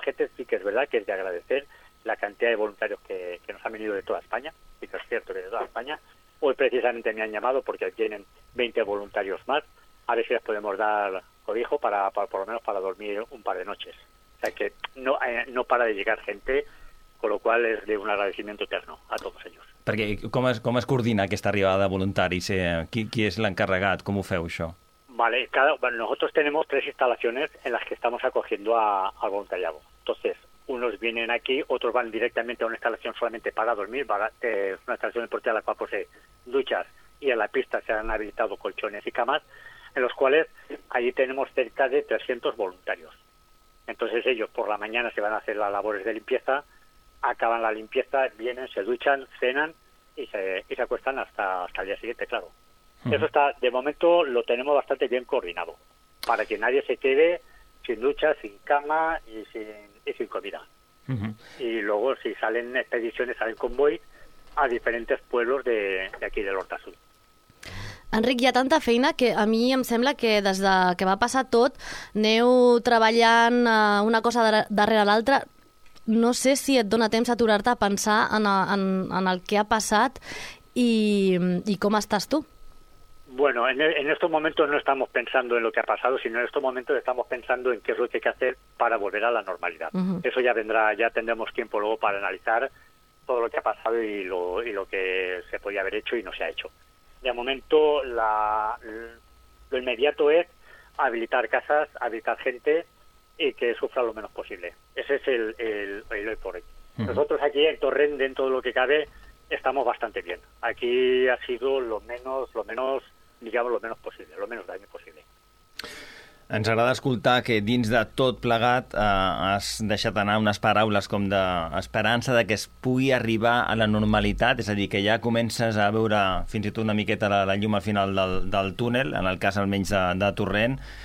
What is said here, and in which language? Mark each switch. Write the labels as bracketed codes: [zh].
[es] La gente sí que es verdad que es de agradecer la cantidad de voluntarios que nos han venido de toda España, y que es cierto que de toda España. Hoy precisamente me han llamado porque tienen 20 voluntarios más. A ver si les podemos dar cobijo para por lo menos para dormir un par de noches. O sea que no para de llegar gente, con lo cual es de un agradecimiento eterno a todos ellos. [ca] Perquè com es coordina aquesta arribada de voluntaris? Qui és l'encarregat? Com ho feu, això? [es] Vale, nosotros tenemos tres instalaciones en las que estamos acogiendo al voluntariado. Entonces, unos vienen aquí, otros van directamente a una instalación solamente para dormir, una instalación deportiva a la cual posee duchas, y en la pista se han habilitado colchones y camas, en los cuales allí tenemos cerca de 300 voluntarios. Entonces ellos por la mañana se van a hacer las labores de limpieza, acaban la limpieza, vienen, se duchan, cenan y se acuestan hasta el día siguiente, claro. Uh-huh. Eso está, de momento, lo tenemos bastante bien coordinado, para que nadie se quede sin ducha, sin cama y sin comida. Uh-huh. Y luego si salen expediciones, salen convoy a diferentes pueblos de aquí de l'Horta Sud. [ca] Enric, hi ha tanta feina que a mi em sembla que des de que va passar tot aneu treballant una cosa darrere l'altra. No sé si et dona temps a aturar-te a pensar en el que ha passat i com estàs tu. [es] Bueno, en estos momentos no estamos pensando en lo que ha pasado, sino en estos momentos estamos pensando en qué es lo que hay que hacer para volver a la normalidad. Uh-huh. Eso ya vendrá, ya tendremos tiempo luego para analizar todo lo que ha pasado y lo que se podía haber hecho y no se ha hecho. De momento, lo inmediato es habilitar casas, habilitar gente y que sufra lo menos posible. Ese es el por ahí. Uh-huh. Nosotros aquí en Torrent, dentro de lo que cabe, estamos bastante bien. Aquí ha sido lo menos daño posible. [ca] Ens agrada escoltar que dins de tot plegat has deixat anar unes paraules com d'esperança de que es pugui arribar a la normalitat, és a dir, que ja comences a veure fins i tot una miqueta la llum al final del túnel, en el cas almenys de Torrent.